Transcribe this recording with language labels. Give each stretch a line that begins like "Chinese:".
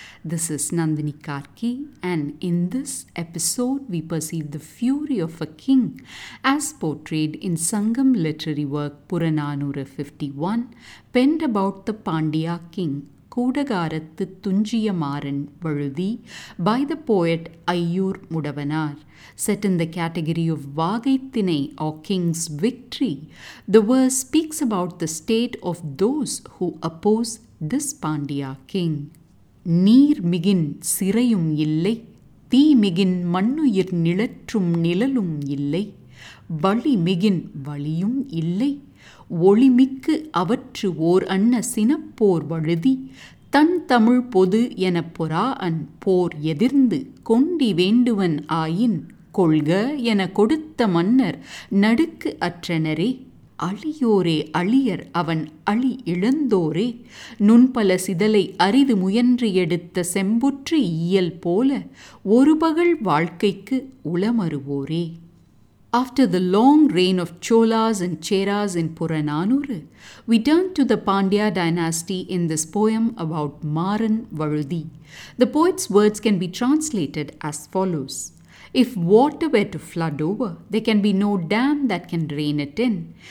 English: This is Nandini Karki, and in this episode we perceive the fury of a king as portrayed in Sangam literary work Purananura 51, penned about the Pandya king Kodagarathu Thunjiyamaran Vazhuthi by the poet Ayyur Mudavanar. Set in the category of Vagaithinai or King's Victory, the verse speaks about the state of those who oppose this Pandya king.
Tamil: Neer migin sirayum illai, thee migin mannuyir nilatrum nilalum illai, vali migin valiyum illai, ஒளிமிக்கு அவற்று ஓர் அன்ன சினப்போர் வழுதி தன் தமிழ் பொது என பொறா an போர் எதிர்ந்து கொண்டி வேண்டுவன் ஆயின் கொள்க என கொடுத்த மன்னர் நடுக்கு அற்றனரே அழியோரே அழியர் அவன் அழி இழந்தோரே நுண்பல சிதலை அரிது முயன்று எடுத்த செம்புற்று இயல் போல ஒரு பகல் வாழ்க்கைக்கு உளமறுவோரே.
English: After the long reign of Cholas and Cheras in Purananuru, we turn to the Pandya dynasty in this poem about Maran Vazhuthi. The poet's words can be translated as follows. If water were to flood over, there can be no dam that can rain it in.